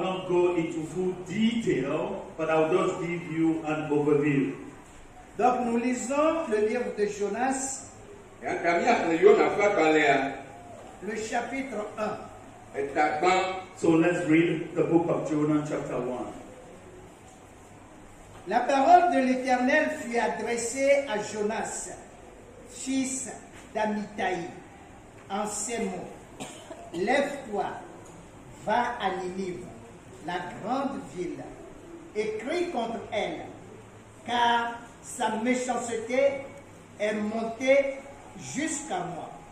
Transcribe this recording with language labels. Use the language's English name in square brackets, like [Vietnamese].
[English] not go into full detail, but I will just give you an overview. [French] Donc nous lisons le livre de Jonas, le chapitre 1. [English] So let's read the book of Jonah, chapter 1. [French] La parole de l'Éternel fut adressée à Jonas, fils d'Amitai, en ces mots: lève-toi, va à Ninive, la grande ville, et crie contre elle, car sa méchanceté est montée jusqu'à moi.